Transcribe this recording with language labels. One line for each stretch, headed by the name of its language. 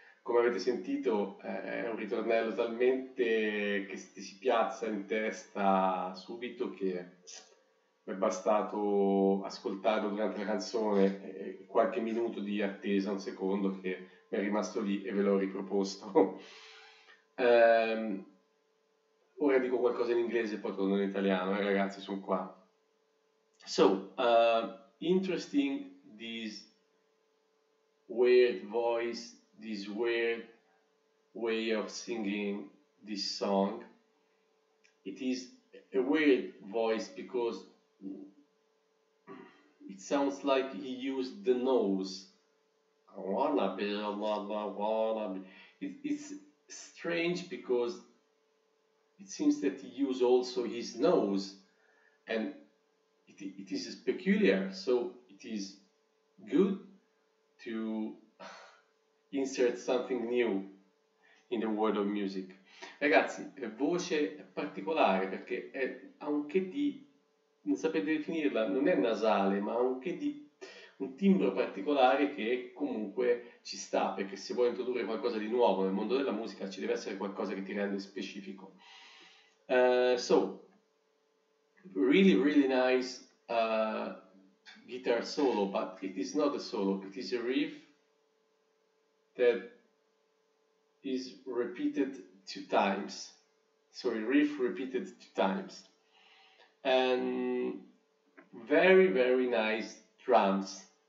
Italian: Come avete sentito, è un ritornello talmente che ti si piazza in testa subito che è bastato ascoltarlo durante la canzone qualche minuto di attesa, un secondo, che mi è rimasto lì e ve l'ho riproposto. Ora dico qualcosa in inglese e poi torno in italiano, ragazzi, sono qua.
English: So, interesting this weird voice, this weird way of singing this song. It is a weird voice because it sounds like he used the nose. I wanna be, I wanna be. It's strange because it seems that he used also his nose, and it is peculiar. So it is good to insert something new in the world of music.
Italian: Ragazzi, voce particolare perché è anche di, non sapete definirla, non è nasale, ma anche di un timbro particolare che comunque ci sta, perché se vuoi introdurre qualcosa di nuovo nel mondo della musica ci deve essere qualcosa che ti rende specifico.
English: So, really, really nice guitar solo, but it is not a solo, it is a riff that is repeated two times. Sorry, riff repeated two times. And very, very nice drums.